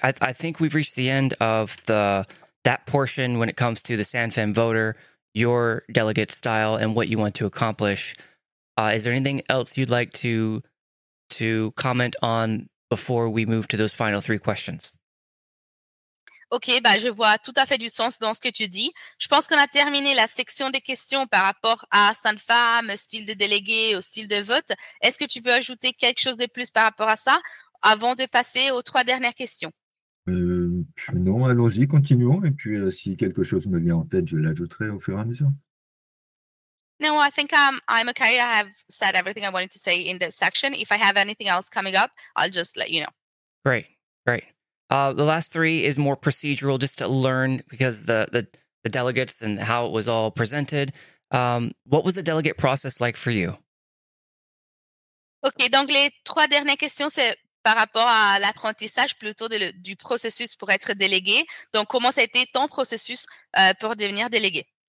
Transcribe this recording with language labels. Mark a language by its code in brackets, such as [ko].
[en] I think we've reached the end of that portion when it comes to the SandFam voter, your delegate style, and what you want to accomplish. Is there anything else you'd like to comment on before we move to those final three questions? [fr] Ok, bah, je vois tout à fait du sens dans ce que tu dis. Je pense qu'on a terminé la section des questions par rapport à Sandfam, style de délégué, au style de vote. Est-ce que tu veux ajouter quelque chose de plus par rapport à ça avant de passer aux trois dernières questions? Non, allons-y, continuons. Et puis, si quelque chose me vient en tête, je l'ajouterai au fur et à mesure. [en] No, I think I'm okay. I have said everything I wanted to say in this section. If I have anything else coming up, I'll just let you know. Great. The last three is more procedural, just to learn, because the delegates and how it was all presented. What was the delegate process like for you? [fr] OK, donc les trois dernières questions, c'est par rapport à l'apprentissage plutôt du processus pour être délégué. Donc, comment ça a été ton processus pour devenir délégué?